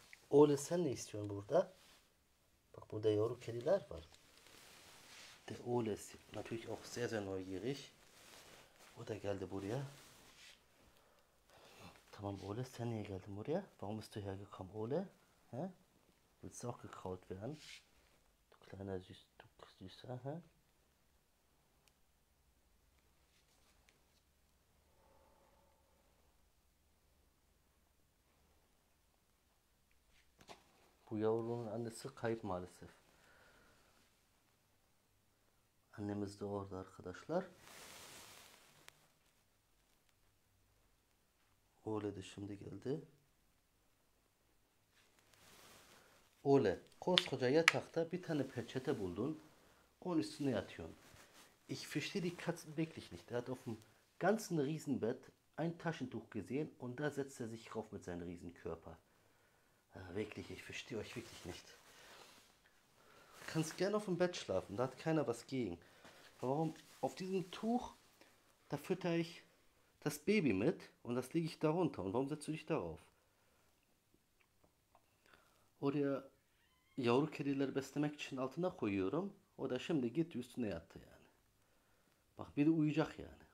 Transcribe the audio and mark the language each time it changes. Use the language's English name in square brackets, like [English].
[Turkish] Oğlum sen ne istiyorsun burada? Bak burada yavru kediler var. [German] Der Oğlum ist natürlich auch sehr sehr neugierig. [Turkish] O da geldi buraya. Tamam Ole, sen niye geldin buraya? [German] Warum bist du hergekommen, [Turkish] Ole? Hä? [German] Willst du auch gekraut werden? Du kleiner Süß, du Süßer, hä? [Turkish] Bu yavrunun annesi kayıp maalesef. Annemiz de orada arkadaşlar. Ole de şimdi geldi. Ole, koskoca yatakta bir tane peçete buldun. Onun üstüne yatıyorsun. [German] Ich verstehe die Katzen wirklich nicht. Er hat auf dem ganzen Riesenbett ein Taschentuch gesehen und da setzt er sich drauf mit seinem Riesenkörper. Ja, wirklich, ich verstehe euch wirklich nicht. Du kannst gerne auf dem Bett schlafen, da hat keiner was gegen. Aber warum? Auf diesem Tuch, da fütter ich das Baby mit und das lege ich darunter. Und warum setzt du dich darauf? [Turkish] Oraya yavru kedileri beslemek için altına koyuyorum. O da şimdi gitti üstüne yattı yani. Bak bir de uyuyacak yani.